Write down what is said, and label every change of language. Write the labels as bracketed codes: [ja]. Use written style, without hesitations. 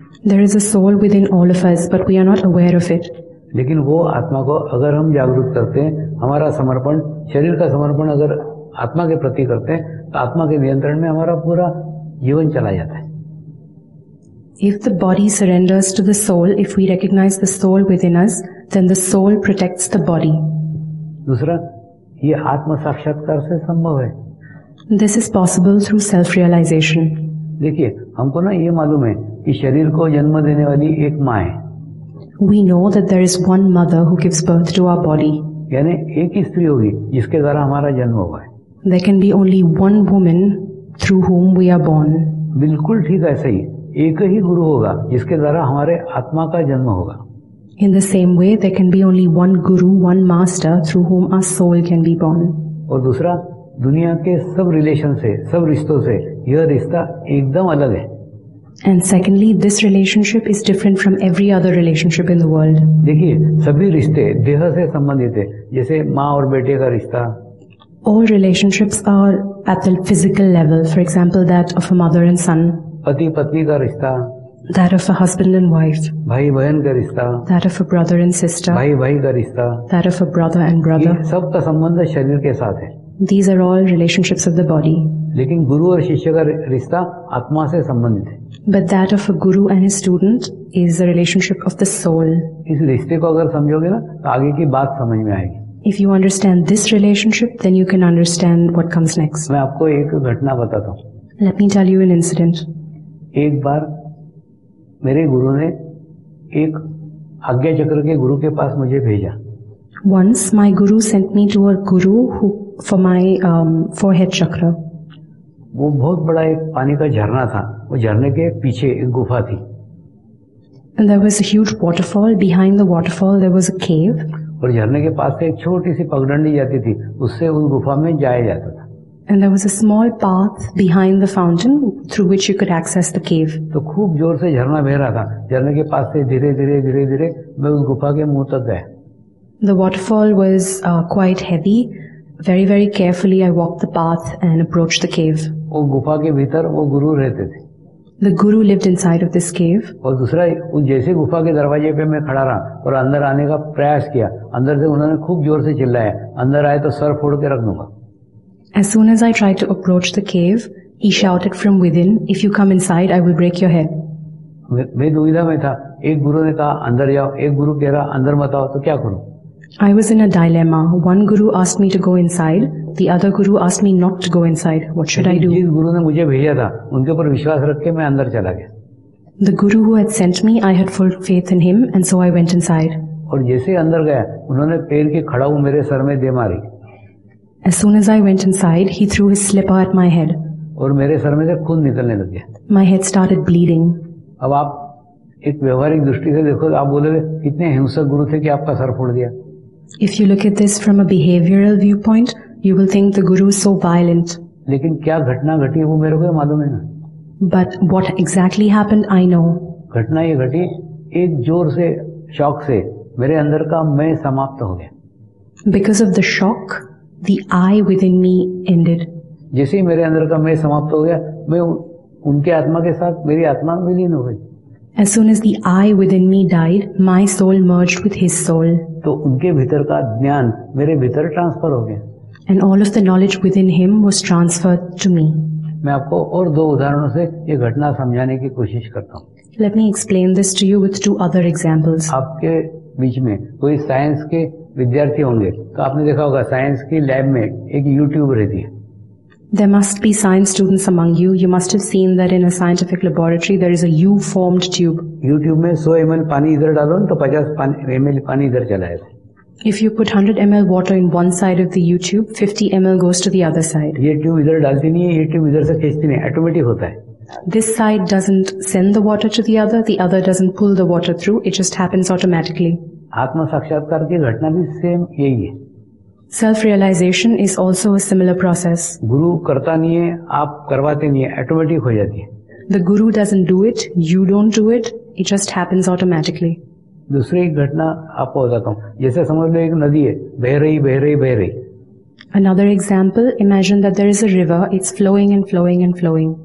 [en] There is a soul within all of us, but we are not aware of it. [hi] लेकिन वो आत्मा को अगर हम जागरूक करते हैं हमारा समर्पण शरीर का समर्पण अगर आत्मा के प्रति करते हैं तो आत्मा के नियंत्रण में हमारा पूरा जीवन चला जाता है. [en] If the body surrenders to the soul, if we recognize the soul within us, then the soul protects the body. [hi] दूसरा ये आत्म साक्षात्कार से संभव है. [en] This is possible through self-realization. [hi] देखिए हमको ना ये मालूम है कि शरीर को जन्म देने वाली एक माँ है. [en] We know that there is one mother who gives birth to our body. [hi] यानी एक ही स्त्री होगी जिसके द्वारा हमारा जन्म हुआ है. [en] There can be only one woman through whom we are born. [hi] बिल्कुल ठीक है सही. एक ही गुरु होगा जिसके द्वारा हमारे आत्मा का जन्म होगा. [en] In the same way, there can be only one guru, one master through whom our soul can be born. [hi] और दूसरा दुनिया के सब रिलेशन से सब रिश्तों से यह रिश्ता एकदम अलग है. [en] And secondly, this relationship is different from every other relationship in the world. [hi] देखिए सभी रिश्ते देह से संबंधित है जैसे माँ और बेटे का रिश्ता. [en] All relationships are at the physical level, for example that of a mother and son. [hi] पति पत्नी का रिश्ता. [en] That of a husband and wife. [hi] भाई बहन का रिश्ता. [en] That of a brother and sister. [hi] भाई भाई का रिश्ता. [en] That of a brother and brother. [hi] सब का संबंध शरीर के साथ है. [en] These are all relationships of the body. [hi] लेकिन गुरु और शिष्य का रिश्ता आत्मा से संबंधित है. [en] But that of a guru and his student is a relationship of the soul. [hi] इस रिश्ते को अगर समझोगे ना तो आगे की बात समझ में आएगी. [en] If you understand this relationship, then you can understand what comes next. [hi] मैं आपको एक घटना बताता हूँ. [en] Let me tell you an incident. [hi] एक बार मेरे गुरु ने एक आज्ञा चक्र के गुरु के पास मुझे भेजा. [en] Once my guru sent me to a guru who for my forehead chakra. [hi] वो बहुत बड़ा एक पानी का झरना था. वो झरने के पीछे एक गुफा थी. [en] And there was a huge waterfall. Behind the waterfall, there was a cave. [hi] और झरने के पास से एक छोटी सी पगडंडी जाती थी. उससे उस गुफा में जाया जाता था. [en] And there was a small path behind the fountain through which you could access the cave. [hi] तो खूब जोर से झरना बह रहा था. झरने के पास से धीरे-धीरे मैं उस गुफा के मुंह तक गया. [en] The waterfall was quite heavy. Very, very carefully, I walked the path and approached the cave. [hi] वो गुफा के भीतर वो गुरु रहते थे. [en] The guru lived inside of this cave. [hi] और दूसरा जैसे गुफा के दरवाजे पे मैं खड़ा रहा और अंदर आने का प्रयास किया अंदर से उन्होंने खूब जोर से चिल्लाया अंदर आए तो सर फोड़ के रख दूंगा. [en] As soon as I tried to approach the cave, he shouted from within, "If you come inside, I will break your head." [hi] मैं दुविधा में था. एक गुरु ने कहा अंदर जाओ एक गुरु कह रहा अंदर मत आओ तो क्या करूं. [en] I was in a dilemma. One guru asked me to go inside. The other guru asked me not to go inside. What should I do? [hi] जिस गुरु ने मुझे भेजा था, उनके ऊपर विश्वास रख के मैं अंदर चला गया. [en] The guru who had sent me, I had full faith in him, and so I went inside. [hi] और जैसे ही अंदर गया, उन्होंने पैर के खड़ाऊ मेरे सर में दे मारी. [en] As soon as I went inside, he threw his slipper at my head. [hi] और मेरे सर में से खून निकलने लग गया. [en] My head started bleeding. [hi] अब आप एक व्यवहारिक दृष्टि से देखो, आप बोलोगे कितने हिंसक गुरु थे कि आपका सर फोड़ दिया. [en] If you look at this from a behavioral viewpoint, you will think the guru is so violent. [hi] लेकिन क्या घटना घटी वो मेरे को मालूम है ना. [en] But what exactly happened, I know. [hi] घटना ये घटी एक जोर से शॉक से मेरे अंदर का मैं समाप्त हो गया. [en] Because of the shock, the I within me ended. [hi] जैसे ही मेरे अंदर का मैं समाप्त हो गया, मैं उनके आत्मा के साथ मेरी आत्मा विलीन हो गई. [en] As soon as the I within me died, my soul merged with his soul. [hi] तो उनके भीतर का ज्ञान मेरे भीतर ट्रांसफर हो गया. [en] And all of the knowledge within him was transferred to me. [hi] मैं आपको और दो उदाहरणों से ये घटना समझाने की कोशिश करता हूँ. [en] Let me explain this to you with two other examples. [hi] आपके बीच में कोई साइंस के विद्यार्थी होंगे तो आपने देखा होगा साइंस की लैब में एक यूट्यूब रहती है. [en] There must be science students among you. You must have seen that in a scientific laboratory there is a U-formed tube. [hi] YouTube में 100 ml पानी इधर डालो तो 50 ml पानी इधर चला जाए. [en] If you put 100 ml water in one side of the YouTube, 50 ml goes to the other side. [hi] ये ट्यूब इधर डालती नहीं है, ये ट्यूब इधर से खींचती नहीं, ऑटोमेटिक होता है. [en] This side doesn't send the water to the other doesn't pull the water through. It just happens automatically. [hi] आत्मा साक्षात्कार की घटना भी सेम यही है. [en] Self-realization is also a similar process. [hi] गुरु करता नहीं है, आप करवाते नहीं है, ऑटोमेटिक हो जाती है. [en] The guru doesn't do it, you don't do it, it just happens automatically. [hi] दूसरी घटना आपको बताता हूँ. जैसे समझ लो एक नदी है, बह रही बह रही बह रही. [en] Another example, imagine that there is a river, it's flowing and flowing and flowing.